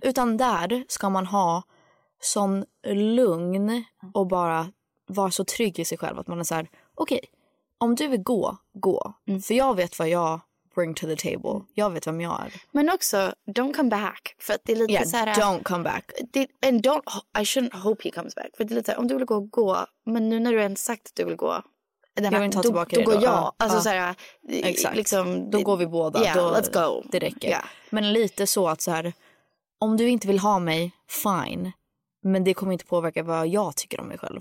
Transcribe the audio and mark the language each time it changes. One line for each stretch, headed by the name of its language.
Swedish: Utan där ska man ha sån lugn och bara vara så trygg i sig själv att man är så här: okej, om du vill gå, gå. För jag vet vad jag
English: bring to the table.
Swedish: Jag vet vem jag är. Men också,
English: don't come back.
Swedish: För att det är lite så här,
English: don't come back.
Swedish: Det,
English: and don't, I shouldn't hope he comes back.
Swedish: För det är lite så här, om du vill gå, gå. Men nu när du ens sagt att du vill gå, jag vill inte ta tillbaka då, då går jag. Alltså så här, exakt. Liksom, då går vi båda.
English: Yeah,
Swedish: då,
English: let's go.
Swedish: Det räcker.
English: Yeah.
Swedish: Men lite så att så här, om du inte vill ha mig, fine. Men det kommer inte påverka vad jag tycker om mig själv.